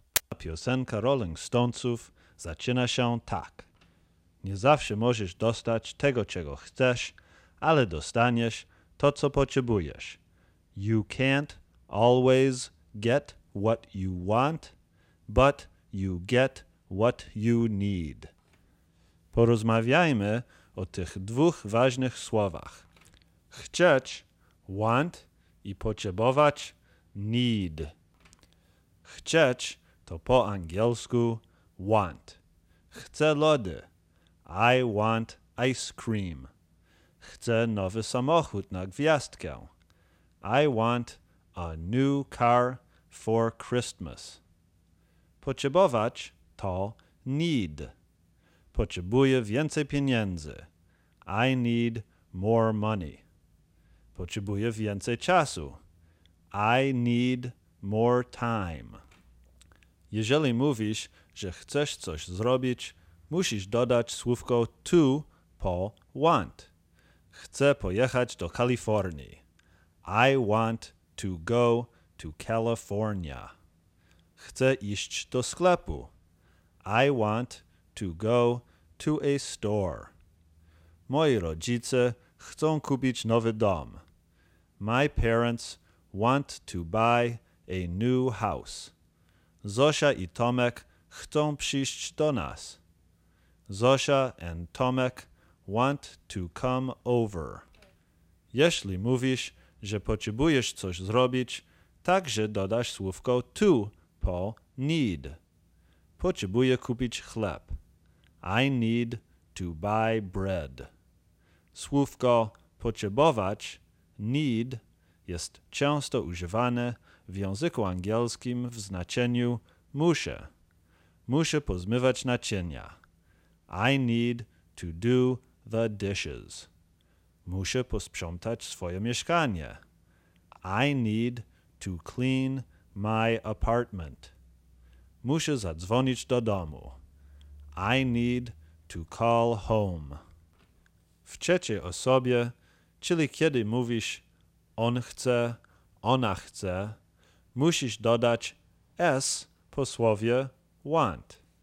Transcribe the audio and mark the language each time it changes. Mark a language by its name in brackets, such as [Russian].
[Polish] A piosenka Rolling Stonesów zaczyna się tak. Nie zawsze możesz dostać tego, czego chcesz, ale dostaniesz to, co potrzebujesz. [English] You can't always get what you want, but you get what you need. [Polish] Porozmawiajmy o tych dwóch ważnych słowach. Chcieć, want, i potrzebować, need. Chcieć to po angielsku want. Chcę lody. [English] I want ice cream. [Polish] Chcę nowy samochód na gwiazdkę. [English] I want a new car for Christmas. [Polish] Potrzebować to need. Potrzebuję więcej pieniędzy. [English] I need more money. [Polish] Potrzebuję więcej czasu. [English] I need more time. [Polish] Jeżeli mówisz, że chcesz coś zrobić, musisz dodać słówko to po want. Chcę pojechać do Kalifornii. [English] I want to go to California. [Polish] Chcę iść do sklepu. [English] I want to go to a store. [Polish] Moi rodzice chcą kupić nowy dom. [English] My parents want to buy a new house. [Polish] Zosia i Tomek chcą przyjść do nas. [English] Zosia and Tomek want to come over. [Polish] Jeśli mówisz, że potrzebujesz coś zrobić, także dodasz słówko to po need. Potrzebuję kupić chleb. [English] I need to buy bread. [Polish] Słówko potrzebować, need, jest często używane w języku angielskim w znaczeniu muszę. Muszę pozmywać naczynia. [English] I need to do the dishes. [Polish] Muszę posprzątać swoje mieszkanie. [English] I need to clean my apartment. [Polish] Muszę zadzwonić do domu. [English] I need to call home. [Polish] W trzeciej osobie, czyli kiedy mówisz on chce, ona chce, musisz dodać s po słowie want.